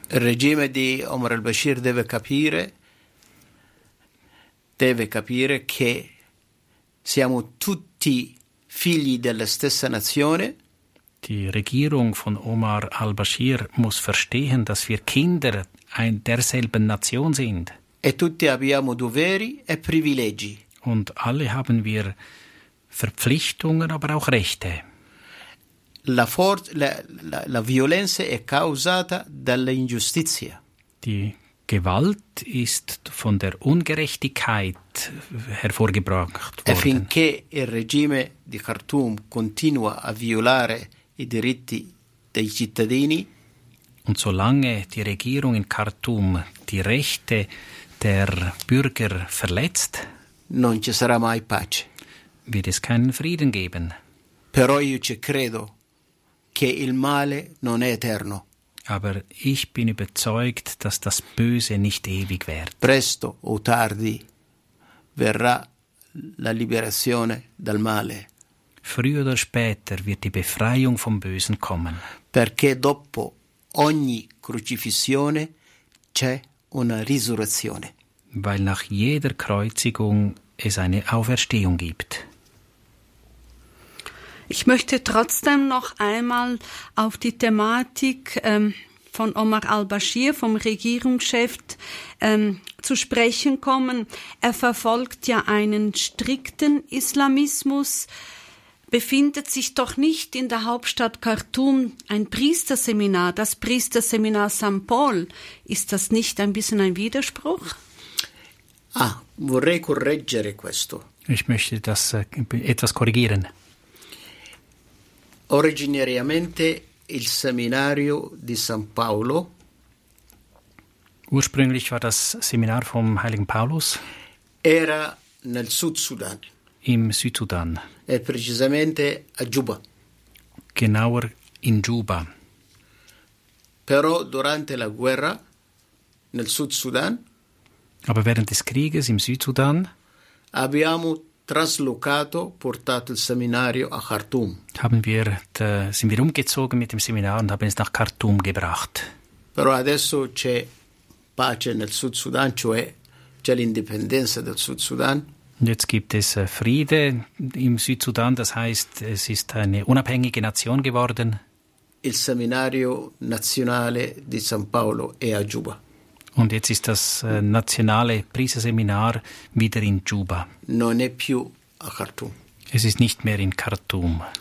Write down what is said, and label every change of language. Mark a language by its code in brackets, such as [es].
[it] Il regime di Omar al-Bashir deve capire che siamo tutti figli della stessa nazione. [de] Die Regierung von Omar al-Bashir muss verstehen, dass wir Kinder derselben Nation sind. [it] E tutti abbiamo doveri e privilegi. [de] Und alle haben wir Verpflichtungen, aber auch Rechte. [it] La violenza è causata dall'ingiustizia. [de] Die Gewalt ist von der Ungerechtigkeit hervorgebracht worden. [it] Affinché il regime di Khartoum continua a violare i diritti dei cittadini. [de] Und solange die Regierung in Khartoum die Rechte der Bürger verletzt, [it] non ci sarà mai pace. [de] Wird es keinen Frieden geben. [it] Però io ci credo che il male non è eterno. [de] Aber ich bin überzeugt, dass das Böse nicht ewig wird. [it] Presto o tardi verrà la liberazione dal male. [de] Früher oder später wird die Befreiung vom Bösen kommen. [it] Perché dopo ogni crocifissione c'è una risurrezione. [de] Weil nach jeder Kreuzigung es eine Auferstehung gibt. Ich möchte trotzdem noch einmal auf die Thematik von Omar al-Bashir, vom Regierungschef, zu sprechen kommen. Er verfolgt ja einen strikten Islamismus, befindet sich doch nicht in der Hauptstadt Khartoum ein Priesterseminar, das Priesterseminar St. Paul. Ist das nicht ein bisschen ein Widerspruch? [it] Ah, vorrei correggere questo. [de] Ich möchte das etwas korrigieren. [it] Originariamente il seminario di San Paolo. [de] Ursprünglich war das Seminar vom Heiligen Paulus. [it] Era nel Sud Sudan. [de] Im Südsudan. [it] E precisamente a Juba. [de] Genauer in Juba. [it] Però durante la guerra nel Sud Sudan. [de] Aber während des Krieges im Südsudan. [it] Abbiamo traslocato, portato il seminario a Khartoum. [de] Sind wir umgezogen mit dem Seminar und haben es nach Khartoum gebracht. [it] Però adesso c'è pace nel Sud Sudan, cioè c'è l'indipendenza del Sud Sudan. [de] Jetzt gibt es Friede im Südsudan, das heißt, es ist eine unabhängige Nation geworden. [it] Il seminario nazionale di San Paolo è a Juba. [de] Und jetzt ist das nationale Priesterseminar wieder in Juba. [it] Non è più a Khartoum. [de] Es ist nicht mehr in Khartoum.